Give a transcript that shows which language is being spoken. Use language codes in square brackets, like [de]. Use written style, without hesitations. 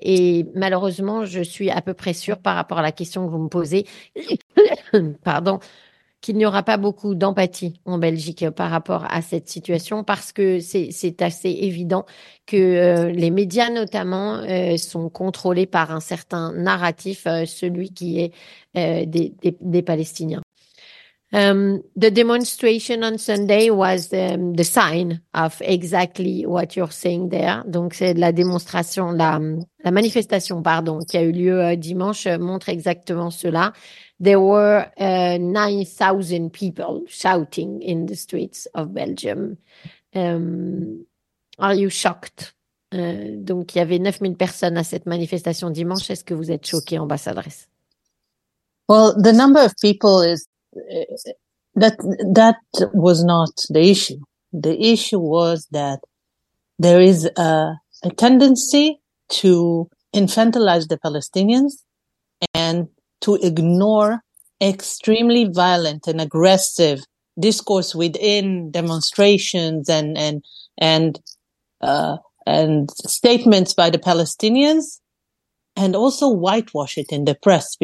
[fr] Et malheureusement, je suis à peu près sûre par rapport à la question que vous me posez, pardon, qu'il n'y aura pas beaucoup d'empathie en Belgique par rapport à cette situation, parce que c'est assez évident que les médias notamment sont contrôlés par un certain narratif, celui qui est des Palestiniens. [en] The demonstration on Sunday was the sign of exactly what you're saying there. [fr] Donc, c'est la démonstration, la manifestation, pardon, qui a eu lieu dimanche, montre exactement cela. [en] There were 9,000 people shouting in the streets of Belgium. Are you shocked? [fr] Donc, il y avait 9,000 personnes à cette manifestation dimanche. Est-ce que vous êtes choquée, ambassadrice? [en] Well, the number of people is that was not the issue. The issue was that there is a tendency to infantilize the Palestinians and to ignore extremely violent and aggressive discourse within demonstrations and statements by the Palestinians, and also whitewash it in the press.